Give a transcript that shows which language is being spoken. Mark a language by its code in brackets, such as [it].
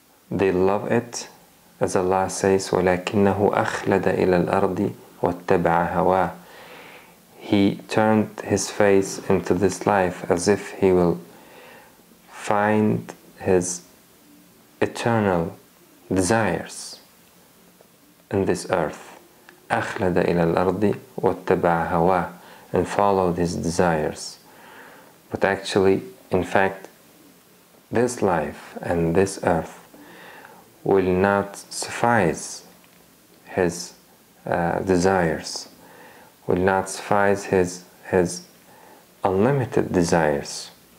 [en] They love it, as Allah says, [ar] وَلَكِنَّهُ أَخْلَدَ إِلَى الْأَرْضِ وَاتَّبَعَ هَوَاهُ. [en] He turned his face into this life as if he will find his eternal desires in this earth. [ar] أَخْلَدَ إِلَى الْأَرْضِ وَاتَّبَعَ هَوَاهُ, [en] and followed his desires. But actually, in fact, this life and this earth will not suffice his desires, will not suffice his unlimited desires.